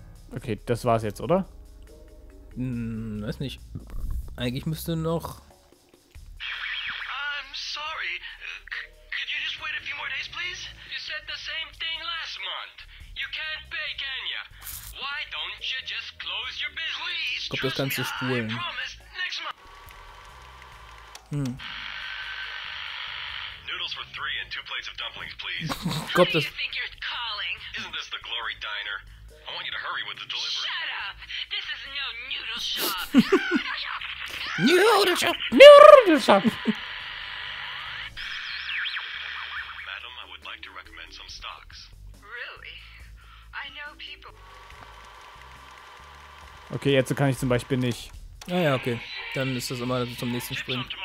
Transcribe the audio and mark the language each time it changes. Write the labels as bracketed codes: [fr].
[de] Okay, das war's jetzt, oder? Weiß nicht. Eigentlich müsste noch. [en] I'm sorry. Could you just wait a few more days, please? You said the same thing last month. You can't pay, can ya? Why don't you just close your business? [de] Ich glaube, das kannst du spulen. [en] Noodles for three and two plates of dumplings, please. [de] Gott, das. [en] Isn't this the Glory Diner? I want you to hurry with the delivery. Shut up! This is no noodle shop. Noodle shop. Noodle shop. Madam, I would like to recommend some stocks. Really? I know people. [de] Okay, jetzt kann ich zum Beispiel nicht. Ah ja, okay. Dann ist das immer zum nächsten Sprint.